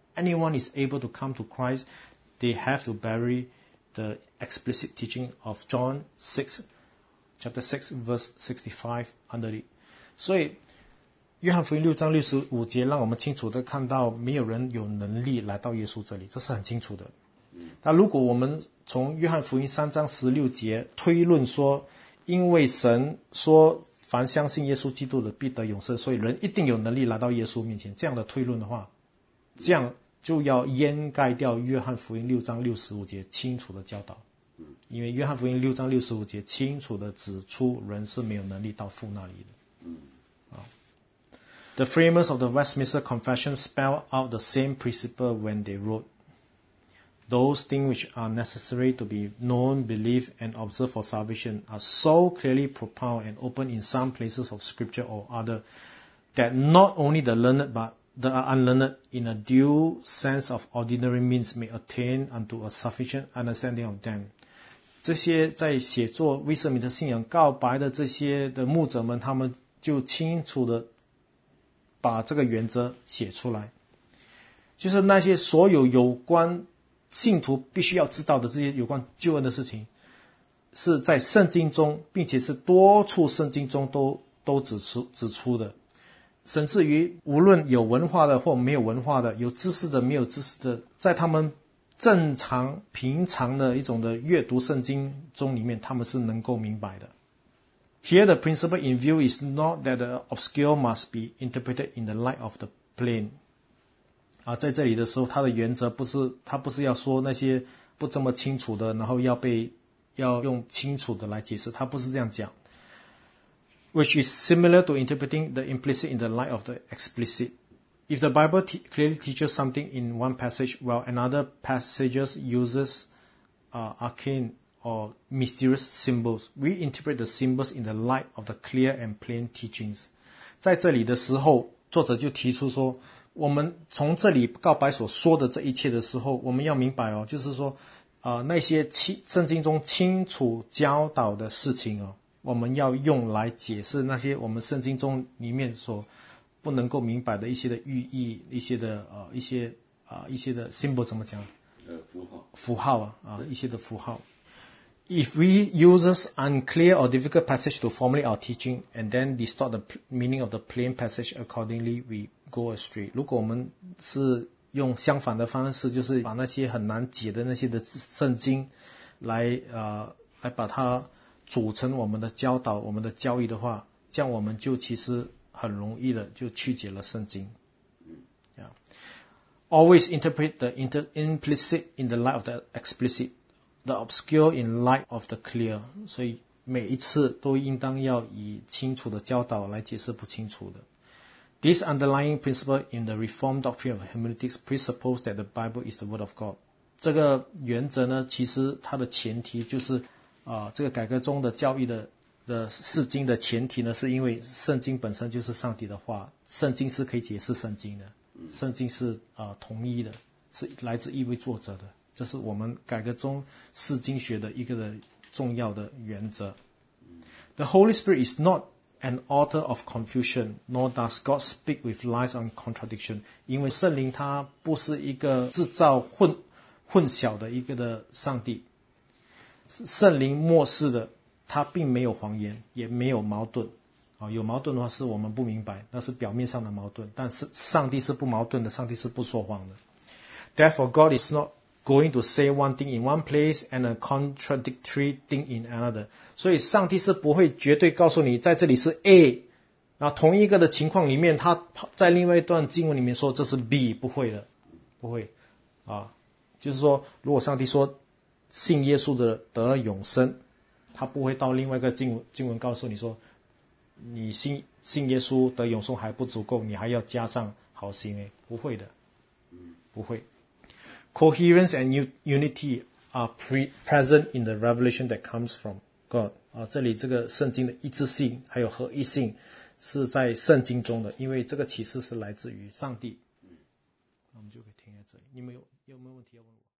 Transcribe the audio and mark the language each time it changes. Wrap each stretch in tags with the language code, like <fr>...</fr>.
<en>anyone is able to come to Christ, they have to bury the explicit teaching of John 6, chapter 6, verse 65 under it.</en> <zh>所以约翰福音六章六十五节让我们清楚地看到没有人有能力来到耶稣这里，这是很清楚的。但如果我们从约翰福音三章十六节推论说，因为神说凡相信耶稣基督的必得永生，所以人一定有能力来到耶稣面前，这样的推论的话，这样就要掩盖掉约翰福音六章六十五节清楚的教导。因为约翰福音六章六十五节清楚的指出人是没有能力到父那里的。</zh> <en>The framers of the Westminster Confession spell out the same principle when they wrote, those things which are necessary to be known, believed, and observed for salvation are so clearly propounded and open in some places of scripture or other that not only the learned but the unlearned in a due sense of ordinary means may attain unto a sufficient understanding of them.</en> <zh>这些在写作威瑟敏特信仰告白的这些的牧者们，他们就清楚的把这个原则写出来，就是那些所有有关信徒必须要知道的这些有关救恩的事情，是在圣经中，并且是多处圣经中都指出的，甚至于无论有文化的或没有文化的，有知识的没有知识的，在他们正常平常的一种的阅读圣经中里面，他们是能够明白的。</zh> <en>Here the principle in view is not that the obscure must be interpreted in the light of the plain.</en> <zh>啊，在这里的时候，他的原则不是，他不是要说那些不这么清楚的，然后要用清楚的来解释，他不是这样讲。</zh> <en>Which is similar to interpreting the implicit in the light of the explicit. If the Bible clearly teaches something in one passage, while another passage uses arcane or mysterious symbols, we interpret the symbols in the light of the clear and plain teachings.</en> <zh>在这里的时候，作者就提出说，我们从这里告白所说的这一切的时候，我们要明白哦，就是说，那些圣经中清楚教导的事情哦，我们要用来解释那些我们圣经中里面所不能够明白的一些的寓意，一些的 symbol 怎么讲？符号啊，一些的符号。</zh> <en>If we use unclear or difficult passage to formulate our teaching and then distort the meaning of the plain passage accordingly, we go astray.</en> <zh>如果我们是用相反的方式，就是把那些很难解的那些的圣经来把它组成我们的教导，我们的教义的话，这样我们就其实很容易的就曲解了圣经。</zh> <en>Yeah. Always interpret the implicit in the light of the explicit. The obscure in light of the clear.</en> <zh>所以每一次都应当要以清楚的教导来解释不清楚的。</zh> <en>This underlying principle in the Reformed doctrine of hermeneutics presupposes that the Bible is the word of God.</en> <zh>这个原则呢，其实它的前提就是这个改革中的教义的释经的前提呢，是因为圣经本身就是上帝的话，圣经是可以解释圣经的，圣经是同一的，是来自一位作者的。这是我们改革中释经学的一个的重要的原则。</zh> <en>The Holy Spirit is not an author of confusion, nor does God speak with lies and contradiction.</en> <zh>因为圣灵他不是一个制造混淆的一个的上帝。圣灵漠视的，他并没有谎言，也没有矛盾。有矛盾的话是我们不明白，那是表面上的矛盾。但是上帝是不矛盾的，上帝是不说谎的。</zh> <en>Therefore, God is not. Going to say one thing in one place and a contradictory thing in another.</en> <zh>所以上帝是不会绝对告诉你在这里是 A, 那同一个的情况里面他在另外一段经文里面说这是 B, 不会的。不会。就是说如果上帝说信耶稣的得永生，他不会到另外一个经文告诉你说你信耶稣得永生还不足够，你还要加上好行为。不会的。不会。</zh> <en>Coherence and unity are present in the revelation that comes from God.</en> <zh>这里这个圣经的一致性还有合一性是在圣经中的，因为这个启示是来自于上帝。我们就可以停在这里。你们有没有问题要问我？</zh>